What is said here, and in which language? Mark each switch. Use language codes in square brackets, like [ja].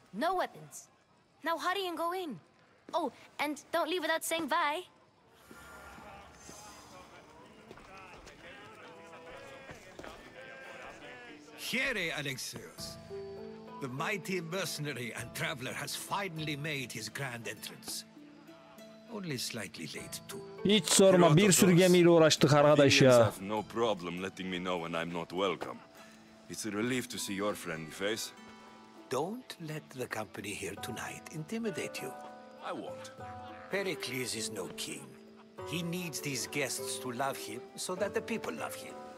[en] No weapons. Now hurry and go in. Oh, and don't leave without saying bye. Here, Alexios. The mighty mercenary and traveler has finally made his grand entrance. Only slightly late too. [tr] Hiç sorma, bir sürü gemiyle uğraştık arkadaş ya. [en] Have no problem letting me know when I'm not welcome. It's a relief to see your friendly face. Don't let the company here tonight intimidate you. I won't. Pericles is no king. He needs these guests to love him so that the people love him.